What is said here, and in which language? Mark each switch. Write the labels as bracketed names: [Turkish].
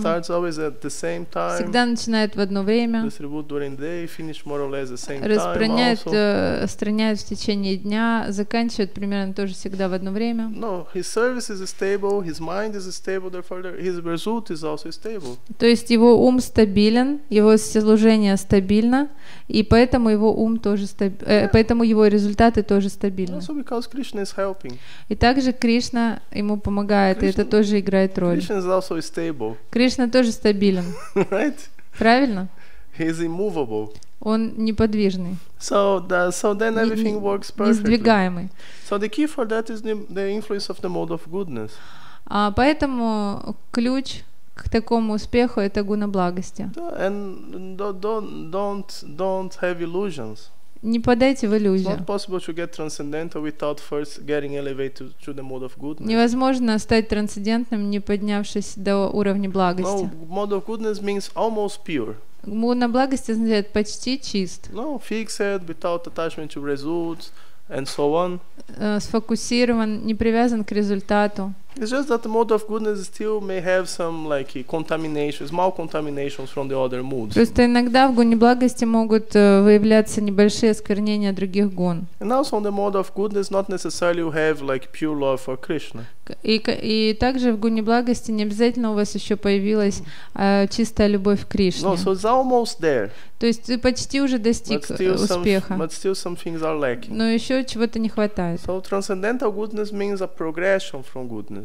[English] He starts always at the same time. [Russian] Всегда начинает в одно время. [English] Distribute during the day, finish more or less the same time. [Russian] Распространяет в течение дня, заканчивает примерно тоже всегда в одно время. [English] No, his service is stable, his mind is stable, therefore his result is also stable. [Russian] То есть его ум стабилен, его служение стабильно, и поэтому его ум тоже поэтому его результаты тоже стабильны. [English] Krishna is helping. [Russian] И также Кришна ему помогает, Krishna, и это тоже играет роль. [English] Krishna is also stable. [Russian] Кришна тоже стабилен. [English] Right? [Russian] Правильно? [English] He is immovable. [Russian] Он неподвижный. [English] So then everything works perfectly. [Russian] Несдвигаемый. [English] So the key for that is the influence of the mode of goodness. [Russian] А поэтому ключ к такому успеху это гуна благости. [English] And don't have illusions. [Russian] Не подайте в иллюзию. [English] It's not possible to get transcendental without first getting elevated to the mode of goodness. [Russian] Невозможно стать трансцендентным, не поднявшись до уровня благости. [English] No, mode of goodness means almost pure. [Russian] Гуна благости означает почти чист. [English] No, fixed without attachment to results and so on. [Russian] Сфокусирован, не привязан к результату. [English] It's just that the mode of goodness still may have some like contamination, small contaminations from the other moods. [Russian] Просто иногда в гуне благости могут выявляться небольшие осквернения других гун. [English] And also on the mode of goodness, not necessarily you have like pure love for Krishna. [Russian] И также в гуне благости не обязательно у вас еще появилась чистая любовь к Кришне. [English] No, so it's almost there. [Russian] То есть ты почти уже достиг успеха. [English] But still some things are lacking. [Russian] Но еще чего-то не хватает. [English] So transcendental goodness means a progression from goodness.